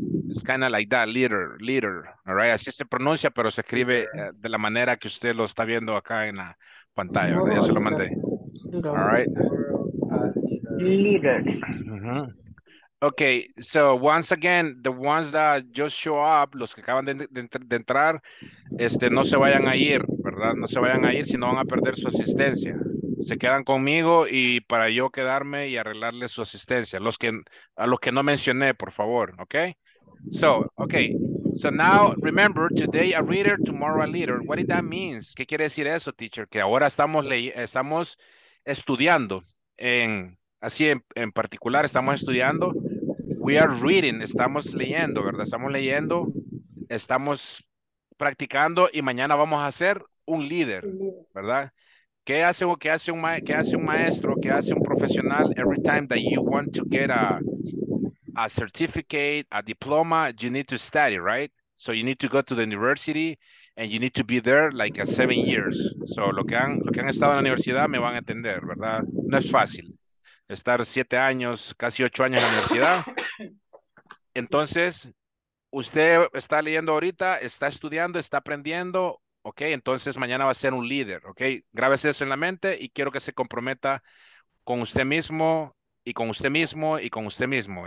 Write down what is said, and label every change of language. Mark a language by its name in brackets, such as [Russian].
[English] It's kind of like that, leader, all right? [Spanish] Así se pronuncia, pero se escribe de la manera que usted lo está viendo acá en la pantalla. No, ya se lo mandé. [English] All right. Leader. [Spanish] Uh-huh. [English] Okay, so once again, the ones that just show up, [Spanish] los que acaban de entrar, no se vayan a ir, ¿verdad? No se vayan a ir, sino van a perder su asistencia. Se quedan conmigo y para yo quedarme y arreglarle su asistencia. A los que no mencioné, por favor, [English] okay? So now remember, today a reader, tomorrow a leader. What did that mean? [Spanish] ¿Qué quiere decir eso, teacher? Que ahora estamos estudiando en particular, estamos estudiando. [English] We are reading, [Spanish] estamos leyendo, ¿verdad? Estamos leyendo, estamos practicando y mañana vamos a ser un líder, ¿verdad? ¿Qué hace un maestro? ¿Qué hace un profesional? [English] Every time that you want to get a certificate, a diploma, you need to study, right? So you need to go to the university and you need to be there like 7 years. So [Spanish] lo que han estado en la universidad me van a entender, ¿verdad? No es fácil estar 7 años, casi 8 años en la universidad. Entonces, usted está leyendo ahorita, está estudiando, está aprendiendo, ¿ok? Entonces mañana va a ser un líder, ¿ok? Grábese eso en la mente y quiero que se comprometa con usted mismo y con usted mismo, y con usted mismo.